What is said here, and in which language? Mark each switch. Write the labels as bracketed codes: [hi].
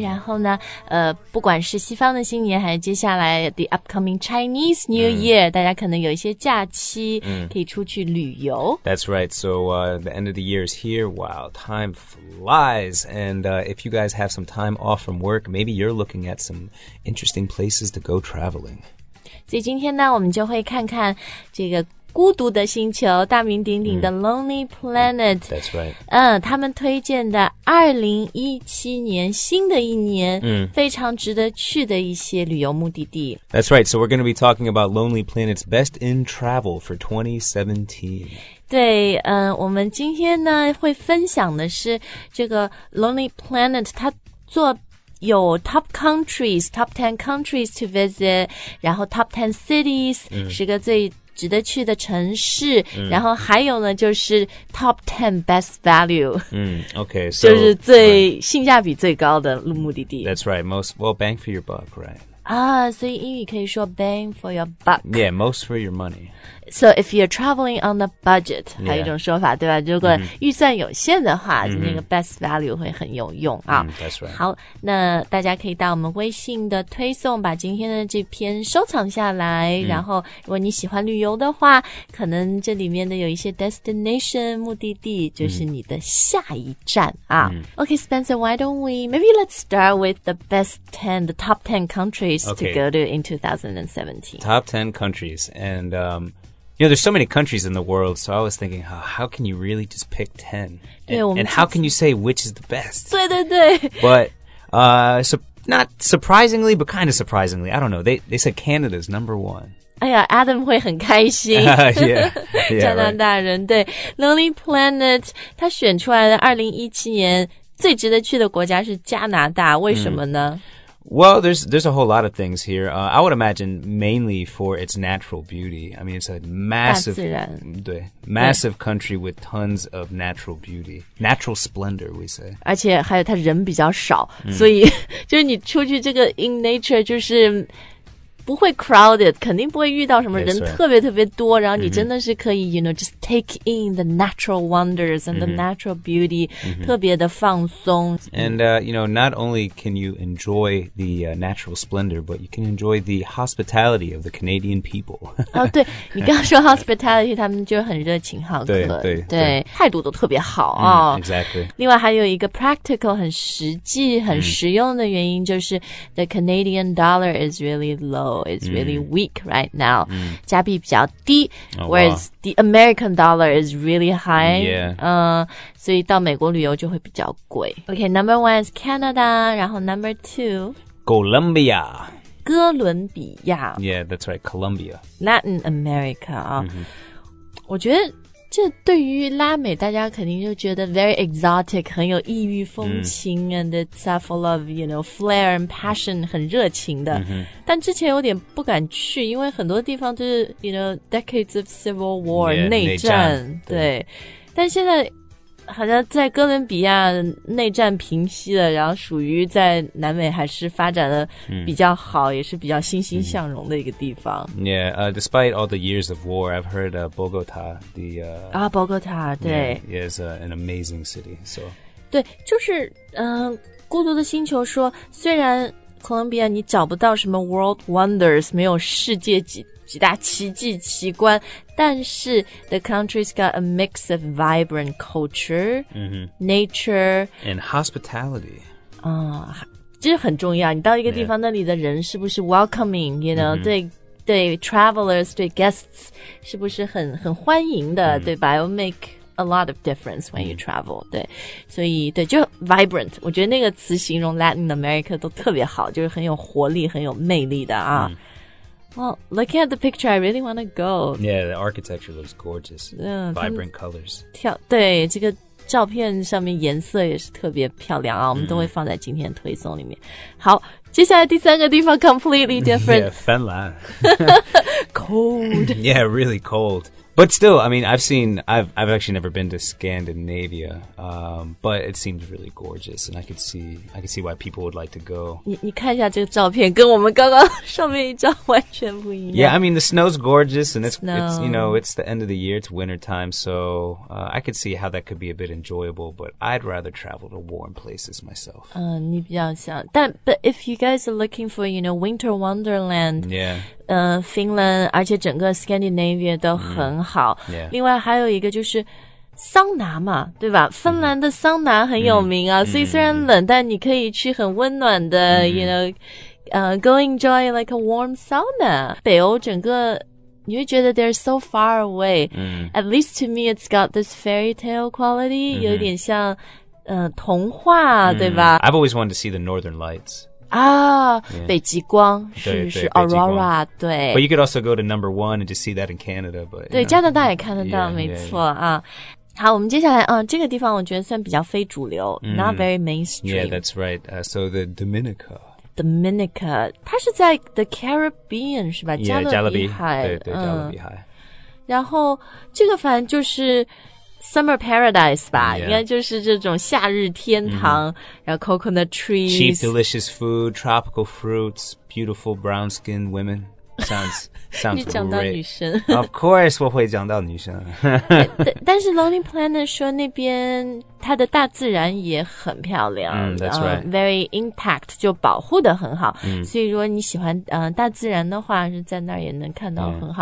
[zh] 然后呢，不管是西方的新年，还是接下来 [en] the upcoming Chinese New Year, [zh] 大家可能有一些假期可以出去旅游。 [en] That's right. So, the end of the year is here. Wow, time flies. And, if you guys have some time off from work, maybe you're looking at some interesting places to go traveling. [zh] 所以今天呢，我们就会看看这个孤独的星球，大名鼎鼎的 Lonely Planet. [en] That's right. [zh] 他们推荐的2017年新的一年非常值得去的一些旅游目的地。 [en] That's right. So we're going to be talking about Lonely Planet's best in travel for 2017. [zh] 对，我们今天呢会分享的是这个 Lonely Planet, 它做有 [en] top countries, top 10 countries to visit, [zh] 然后 [en] top 10 cities, [zh] 十个最值得去的城市，然后还有呢就是 [en] top 10 best value. Okay, so [zh] 就是最性价比最高的目的地。 [en] That's right, most, well, bang for your buck, right? [zh] 所以英语可以说 [en] bang for your buck. Yeah, most for your money. So if you're traveling on a budget, [zh] 还有一种说法，对吧？如果预算有限的话，那个 [en] best value [zh] 会很有用啊。 [en] That's right. [zh] 好，那大家可以到我们微信的推送把今天的这篇收藏下来，然后如果你喜欢旅游的话，可能这里面的有一些 destination 目的地就是你的下一站啊。 [en] Okay, Spencer, why don't we, maybe let's start with the best 10, the top 10 countries to go to in 2017. Top 10 countries, and you know, there's so many countries in the world, so I was thinking, how can you really just pick 10? And how can you say which is the best? [zh] 对对对。 [en] But, not surprisingly, but kind of surprisingly, I don't know, they said Canada's number one. [zh] 哎呀 ,Adam 会很开心。 [en] yeah, [zh] 加拿大人，对。 Lonely Planet, 他选出来的2017年最值得去的国家是加拿大，为什么呢？ [en] Well, there's a whole lot of things here. I would imagine mainly for its natural beauty. I mean, it's a massive, [zh] 大自然， [en] 对，massive country with tons of natural beauty. Natural splendor, we say. [zh] 而且还有它人比较少，所以就是你出去这个 [en] in nature [zh] 就是不会 crowded, 肯定不会遇到什么人特别特别多，然后你真的是可以, [en] you know, just take in the natural wonders and the natural beauty, [zh] 特别的放松。 [en] And, you know, not only can you enjoy the natural splendor, but you can enjoy the hospitality of the Canadian people. [zh] 哦，对，你刚刚说 hospitality, 他们就很热情好客，对，态度都特别好啊。 [en] Exactly. [zh] 另外还有一个 practical, 很实际很实用的原因就是 [en] the Canadian dollar is really low. It's really weak right now. [zh] 加币比较低 [en] whereas the American dollar is really high. Yeah. [zh] 所以到美国旅游就会比较贵。 [en] Okay, number one is Canada, 然后 number two, Colombia. [zh] 哥伦比亚。 [en] Yeah, that's right, Colombia. Latin America. [zh] 我觉得这对于拉美大家肯定就觉得 [en] very exotic, [zh] 很有异域风情、 [en] and it's full of, you know, flair and passion, [zh] 很热情的。但之前有点不敢去，因为很多地方就是 [en] you know, decades of civil war, [zh] yeah, 内战。对。但现在好像在哥伦比亚内战平息了，然后属于在南美还是发展的比较好，也是比较欣欣向荣的一个地方。 [en] Yeah, despite all the years of war, I've heard Bogota, the [zh] Bogota, 对 [en] yeah, is an amazing city. So, [zh] 对，就是孤独的星球说，虽然哥伦比亚你找不到什么 World Wonders, 没有世界几大奇迹奇观，但是 [en] the country's got a mix of vibrant culture, nature, and hospitality. [zh] 这很重要，你到一个地方那里的人是不是 welcoming, [en] you know, [zh] 对对 travelers, 对 guests, 是不是很欢迎的，对吧？ [en] It'll make a lot of difference when you travel, 对。 [zh] 所以对，就 vibrant, 我觉得那个词形容 Latin America 都特别好，就是很有活力，很有魅力的啊。 [en] Well, looking at the picture, I really want to go. Yeah, the architecture looks gorgeous. Vibrant colors. [zh] 对，这个照片上面颜色也是特别漂亮啊，我们都会放在今天推送里面。好，接下来第三个地方 [en] completely different. Yeah, Finland. Cold. Yeah, really cold. But still, I mean, I've actually never been to Scandinavia, but it seems really gorgeous, and I could see why people would like to go. [zh] 你看一下这个照片，跟我们刚刚上面一张完全不一样。 [en] Yeah, I mean, the snow's gorgeous, and it's the end of the year, it's winter time, so I could see how that could be a bit enjoyable, but I'd rather travel to warm places myself. [zh] 你比较想，但 [en] but if you guys are looking for, you know, winter wonderland, yeah. [zh] Finland, 而且整个 Scandinavia 都很好、 [en] mm-hmm. yeah. [zh] 另外还有一个就是桑拿嘛对吧芬兰的桑拿很有名啊、mm-hmm. 所以虽然冷但你可以去很温暖的、mm-hmm. [en] you know, go enjoy like a warm sauna. [zh] 北欧整个你会觉得 [en] they're so far away.、 Mm-hmm. At least to me, it's got this fairy tale quality,、mm-hmm. [zh] 有点像童话、mm-hmm. 对吧 [en] I've always wanted to see the Northern Lights. 啊、yeah. [zh] 北极光是 Aurora, 对。 [en] But you could also go to number one and just see that in Canada, but, [zh] 对加拿大也看得到 yeah, 没错 yeah, yeah. 啊。好我们接下来这个地方我觉得算比较非主流、mm. [en] not very mainstream. Yeah, that's right.、So the Dominica. [zh] Dominica, 它是在 the Caribbean, 是吧 [en] yeah, [zh] 加勒比海。对对加勒比海。然后这个反正就是 [en] Summer paradise [zh] 吧、yeah. 应该就是这种夏日天堂、mm-hmm. [en] 然后 coconut trees. Cheap delicious food, tropical fruits, beautiful brown skinned women. Sounds great. [zh] 你讲到女生。 [en] Of course, [zh] 我会讲到女生。但是 Lonely Planet 说那边它的大自然也很漂亮。 [en] Mm, that's right. Very intact, [zh] 就保护得很好。 Mm. 所以如果你喜欢大自然的话是在那儿也能看到很好。